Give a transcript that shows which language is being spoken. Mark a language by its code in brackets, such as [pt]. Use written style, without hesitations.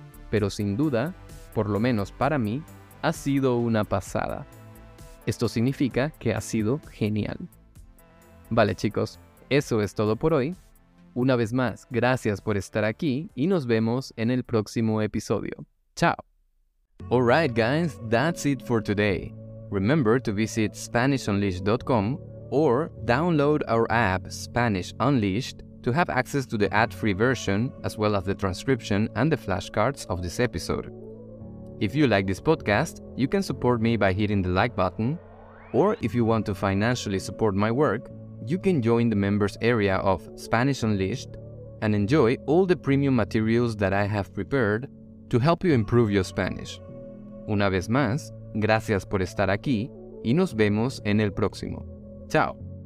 [es] Pero sin duda, por lo menos para mí, ha sido una pasada. Esto significa que ha sido genial. Vale, chicos, eso es todo por hoy. Una vez más, gracias por estar aquí y nos vemos en el próximo episodio. ¡Chao! [en] Alright guys, that's it for today. Remember to visit SpanishUnleashed.com or download our app Spanish Unleashed to have access to the ad-free version as well as the transcription and the flashcards of this episode. If you like this podcast, you can support me by hitting the like button, or if you want to financially support my work, you can join the members area of Spanish Unleashed and enjoy all the premium materials that I have prepared to help you improve your Spanish. [es] Una vez más, gracias por estar aquí y nos vemos en el próximo. Chao.